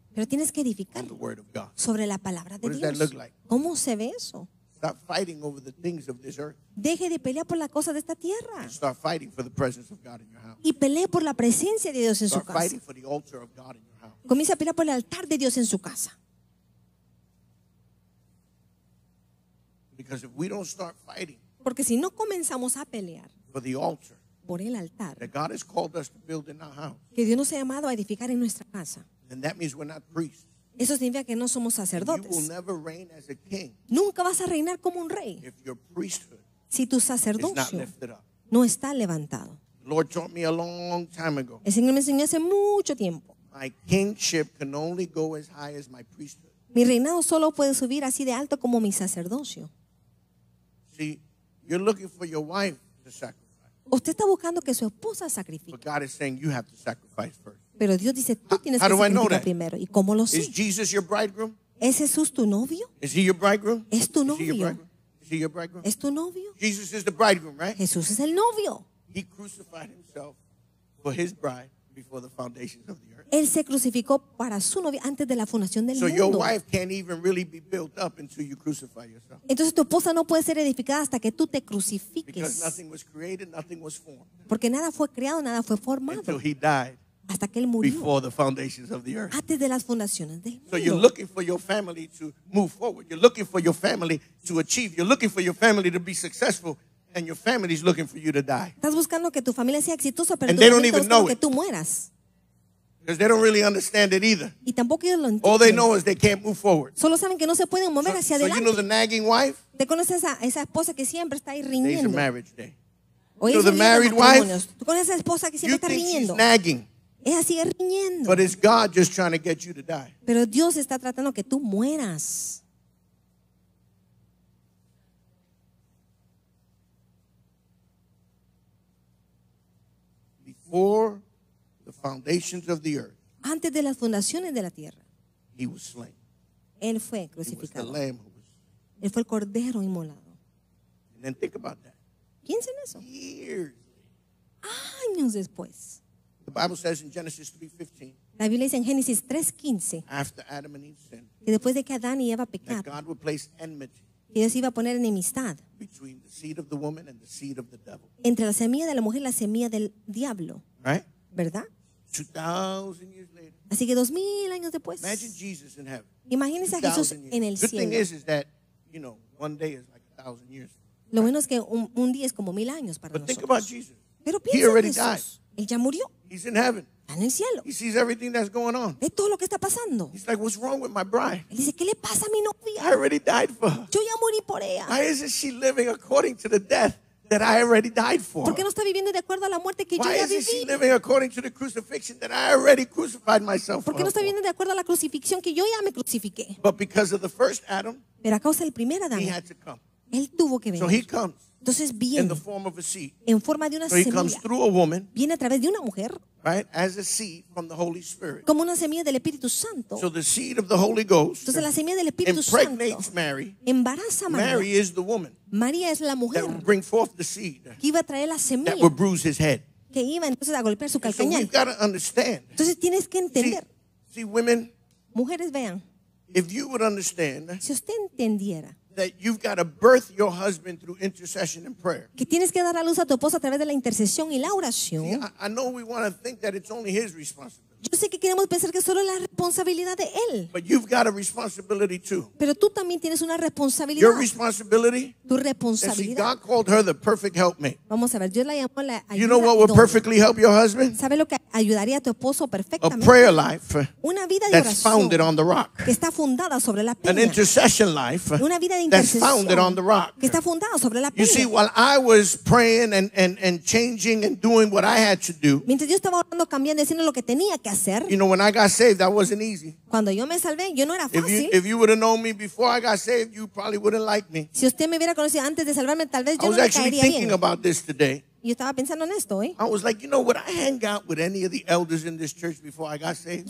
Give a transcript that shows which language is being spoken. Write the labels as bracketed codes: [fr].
[es] Pero tienes que edificar sobre la palabra de Dios. [en] Like? [es] ¿Cómo se ve eso? [en] Stop fighting over the things of this earth. [es] Deje de pelear por las cosas de esta tierra. [en] Start fighting for the presence of God in your house. [es] Y pelee por la presencia de Dios en [en] start [es] su casa. [en] Fighting for the altar of God in your house. [es] Comience a pelear por el altar de Dios en su casa. [en] Because if we don't start fighting [es] porque si no comenzamos a pelear [en] for the altar [es] por el altar [en] that God has called us to build in our house, [es] que Dios nos ha llamado a edificar en nuestra casa, [en] and that means we're not priests. [es] Eso significa que no somos sacerdotes. [en] You will never reign as a king. [es] Nunca vas a reinar como un rey. [en] If your priesthood [es] si tu sacerdocio [en] is not lifted up. [es] No está levantado. [en] The Lord taught me a long time ago. [es] El Señor me enseñó hace mucho tiempo. [en] My kingship can only go as high as my priesthood. [es] Mi reinado solo puede subir así de alto como mi sacerdocio. [en] See, you're looking for your wife to sacrifice. [es] Usted está buscando que su esposa sacrifique. [en] But God is saying you have to sacrifice first. [es] Pero Dios dice, tú tienes [en] how [es] que sacrificar primero. ¿Y cómo lo sé? [en] Is Jesus your bridegroom? [es] ¿Es Jesús tu novio? [en] Is he your bridegroom? [es] ¿Es tu novio? [en] Is he your bridegroom? Is he your bridegroom? [es] ¿Es tu novio? [en] Jesus is the bridegroom, right? [es] Jesús es el novio. [en] He crucified himself for his bride before the foundations of the earth. [es] Él se crucificó para su novio antes de la fundación del [en] so [es] mundo. [en] So your wife can't even really be built up until you crucify yourself. [es] Entonces tu esposa no puede ser edificada hasta que tú te crucifiques. [en] Because nothing was created, nothing was formed. [es] Porque nada fue creado, nada fue formado. [en] Until he died. [es] Hasta que él murió. [en] Before the foundations of the earth. [es] Antes de las fundaciones del mundo. [en] So you're looking for your family to move forward. You're looking for your family to achieve. You're looking for your family to be successful. And your family's looking for you to die. [es] Estás buscando que tu familia sea exitosa, pero [en] and they don't even know [es] que tú mueras. [en] Because they don't really understand it either. [es] Y tampoco ellos lo entienden. [en] All they know is they can't move forward. [es] Solo saben que no se pueden mover hacia adelante. [en] So you know the nagging wife? [es] ¿Te conoces a esa esposa que siempre está ahí riñendo? [en] Today's a marriage day. [es] Hoy [en] so the married wife? [es] ¿Tú conoces a esa esposa que siempre está riñendo? [en] You think she's nagging. But it's God just trying to get you to die. [es] Pero Dios está tratando que tú mueras. [en] Before the foundations of the earth. [es] Antes de las fundaciones de la tierra. [en] He was slain. [es] Él fue crucificado. [en] He was the lamb who was slain. [es] Él fue el cordero inmolado. [en] And then think about that. [es] Piensa en eso. [en] Years. [es] Años después. [en] The Bible says in Genesis 3:15. [es] La Biblia dice en Génesis 3:15. [en] After Adam and Eve sinned. [es] Que después de que Adán y Eva pecaron. [en] That God would place enmity. [es] Que Dios iba a poner enemistad. [en] Between the seed of the woman and the seed of the devil. [es] Entre la semilla de la mujer y la semilla del diablo. [en] Right? [es] ¿Verdad? [en] 2,000 years later. [es] Así que 2,000 años después. [en] Imagine Jesus in heaven. [es] Imagínese a Jesús en el cielo. [en] The thing is that, you know, one day is like 1,000 years. [es] Lo bueno es que un día es como 1,000 años para nosotros. [en] But think about Jesus. [es] Pero piensa en Jesús. Él ya murió. [en] He's in heaven. [es] En el cielo. [en] He sees everything that's going on. [es] Ve todo lo que está pasando. [en] He's like, what's wrong with my bride? [es] Él dice, ¿qué le pasa a mi novia? [en] I already died for her. [es] Yo ya morí por ella. [en] Why isn't she living according to the death that I already died for? [es] ¿Por qué no está viviendo de acuerdo a la muerte que [en] why [es] yo ya viví? [en] Why isn't she living according to the crucifixion that I already crucified myself for? [es] ¿Por qué no está viviendo de acuerdo a la crucifixión que yo ya me crucifiqué? [en] But because of the first Adam, [es] pero a causa del primer Adán, [en] he had to come. [es] Él tuvo que venir. [en] So he comes. [es] Entonces viene [en] in the form of a seed. [es] En forma de una semilla. [en] So he comes through a woman. [es] Viene a través de una mujer. [en] Right? As a seed from the Holy Spirit. [es] Como una semilla del Espíritu Santo. [en] So the seed of the Holy Ghost. [es] Entonces la semilla del Espíritu Santo. [en] Impregnates Mary. [es] Embaraza a María. [en] Mary is the woman. [es] María es la mujer. [en] That will bring forth the seed. [es] Que iba a traer la semilla. [en] That will bruise his head. [es] Que iba entonces a golpear su calcañal. [en] So we've got to understand. [es] Entonces tienes que entender. [en] See women. [es] Mujeres, vean. [en] If you would understand. [es] Si usted entendiera. [en] That you've got to birth your husband through intercession and prayer. [es] Que tienes que dar a luz a tu esposo a través de la intercesión y la oración. [en] I know we want to think that it's only his responsibility. [es] Yo sé que queremos pensar que solo la responsabilidad de él. [en] But you've got a responsibility too. [es] Pero tú también tienes una responsabilidad. [en] Your responsibility. [es] Tu responsabilidad. [en] See, God called her the perfect helpmate. [es] Vamos a ver, Dios la llamó la ayuda. [en] You know what will perfectly help your husband? [es] ¿Sabe lo que ayudaría a tu esposo perfectamente? [en] A prayer life. [es] Una vida de oración. [en] That's founded on the rock. [es] Que está fundada sobre la peña. [en] An intercession life. [es] Una vida de intercesión. [en] That's founded on the rock. [es] Que está fundada sobre la peña. [en] You see, while I was praying and changing and doing what I had to do. [es] Mientras yo estaba orando, cambiando, haciendo lo que tenía que hacer. [en] You know, when I got saved, that wasn't easy. [es] Cuando yo me salvé, yo no era fácil. [en] If you would have known me before I got saved, you probably wouldn't like me. [es] Si usted me hubiera conocido antes de salvarme, tal vez yo no me caería bien. [en] I was actually thinking about this today. [es] Yo estaba pensando en esto, ¿eh? [en] I was like, you know, would I hang out with any of the elders in this church before I got saved?